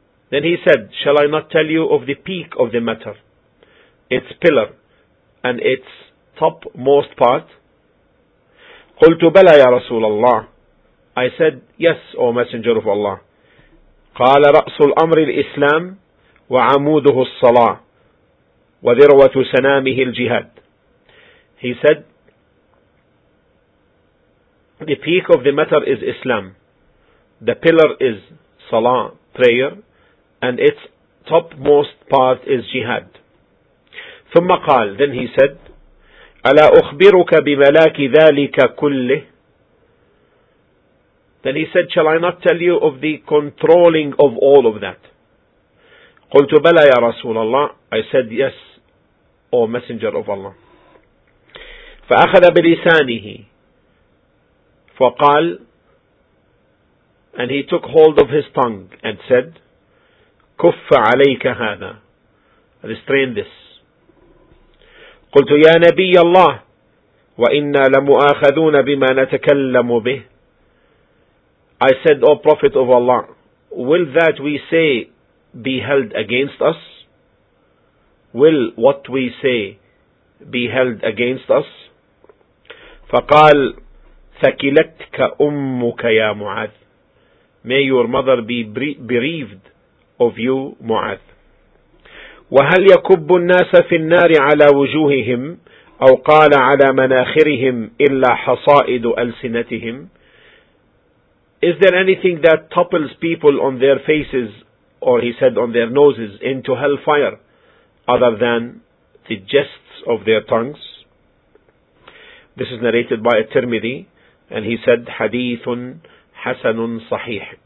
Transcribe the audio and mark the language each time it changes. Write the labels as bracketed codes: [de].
[en] Then he said, shall I not tell you of the peak of the matter, its pillar, and its topmost part? [ar] قلت بلى يا رسول الله. [en] I said, yes, O Messenger of Allah. [ar] قال رأس الأمر الإسلام وعموده الصلاة وذروة سنامه الجهاد. [en] He said, the peak of the matter is Islam. The pillar is Salah, prayer. And its topmost part is jihad. [ar] ثم قال, [en] then he said, [ar] ألا أخبرك بملاك ذلك كله. [en] Then he said, shall I not tell you of the controlling of all of that? [ar] قلت بلى يا رسول الله. [en] I said, yes, O Messenger of Allah. [ar] فأخذ بلسانه فقال, [en] and he took hold of his tongue and said, [ar] كف عليك هذا. [en] Restrain this. [ar] قلت يا نبي الله وإنا لمؤاخذون بما نتكلم به. [en] I said, O Prophet of Allah, will that we say be held against us? Will what we say be held against us? [ar] فقال ثكلتك أمك يا معاذ. [en] May your mother be bereaved of you, Mu'adh. [ar] وَهَلْ يَكُبُّ النَّاسَ فِي النَّارِ عَلَى وُجُوهِهِمْ أو قال على مناخرهم إلا حصائد ألسنتهم. [en] Is there anything that topples people on their faces, or he said on their noses, into hellfire, other than the jests of their tongues? This is narrated by At-Tirmidhi, and he said, [ar] حَدِيثٌ حَسَنٌ صَحِيحٌ.